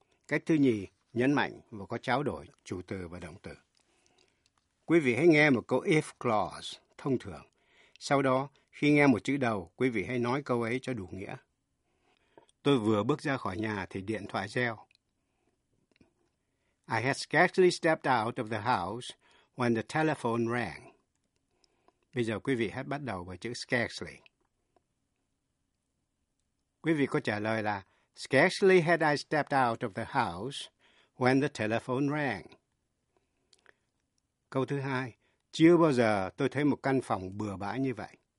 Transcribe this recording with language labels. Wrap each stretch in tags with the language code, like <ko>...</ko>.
<vi>Cách thứ nhì, nhấn mạnh và có trao đổi chủ từ và động từ. Quý vị hãy nghe một câu if clause thông thường. Sau đó, khi nghe một chữ đầu, quý vị hãy nói câu ấy cho đủ nghĩa. Tôi vừa bước ra khỏi nhà thì điện thoại reo.</vi> <en>I had scarcely stepped out of the house when the telephone rang.</en> <vi>Bây giờ quý vị hãy bắt đầu với chữ scarcely. Quý vị có trả lời là</vi> <en>scarcely had I stepped out of the house when the telephone rang.</en> <vi>Câu thứ hai, chưa bao giờ tôi thấy một căn phòng bừa bãi như vậy.</vi>